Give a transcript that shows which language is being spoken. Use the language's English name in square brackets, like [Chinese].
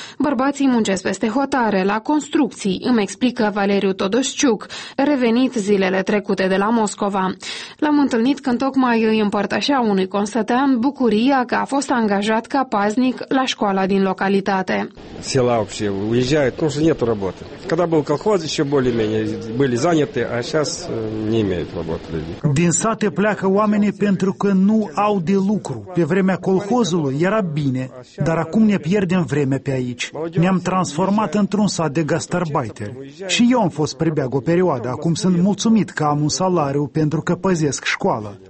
[Romanian] Bărbații muncesc peste hotare, la construcții, îmi explică Valeriu Todosciuc, revenit zilele trecute de la Moscova. L-am întâlnit când tocmai îi împărtășea unui consătean bucuria că a fost angajat ca paznic la școala din localitate. [Russian] Села вообще уезжают, потому что нету работы. Когда был колхоз, еще более-менее были заняты, а сейчас не имеют работы люди. [Romanian] Din sate pleacă oamenii pentru că nu au de lucru. Pe vremea colhozului era bine, dar acum ne pierdem vreme pe aici. Ne-am transformat într-un sat de gastarbeiter. Și eu am fost prebeag o perioadă. Acum sunt mulțumit că am un salariu pentru că păzesc școala.